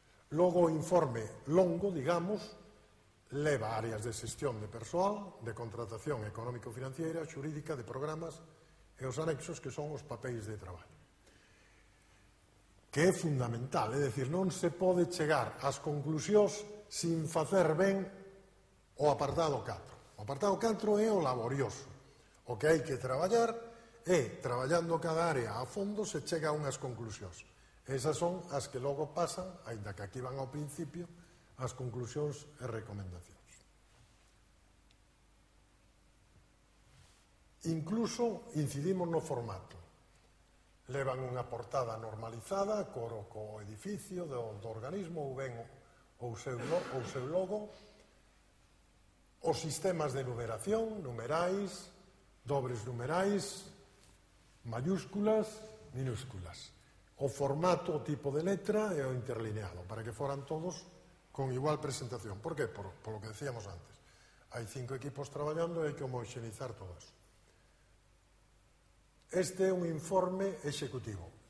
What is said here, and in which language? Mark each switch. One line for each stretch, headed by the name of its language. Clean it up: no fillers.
Galician: Logo, o informe longo, digamos, leva áreas de xestión de persoal, de contratación económico-financiera, xurídica, de programas e os anexos que son os papéis de traballo. Que é fundamental, é dicir, non se pode chegar ás conclusións sin facer ben o apartado 4. O apartado 4 é o laborioso. O que hai que traballar é, traballando cada área a fondo, se chega a unhas conclusións. Esas son as que logo pasan, aínda que aquí van ao principio, as conclusións e recomendacións. Incluso incidimos no formato. Levan unha portada normalizada, coro co edificio do organismo, ou ben ou seu logo, os sistemas de numeración, numerais, dobres numerais, mayúsculas, minúsculas. O formato, o tipo de letra e o interlineado, para que foran todos con igual presentación. Por que?
Spanish: Por lo que decíamos antes.
Galician: Hai 5 equipos traballando e hai que homoxenizar todo eso. Este é un informe executivo.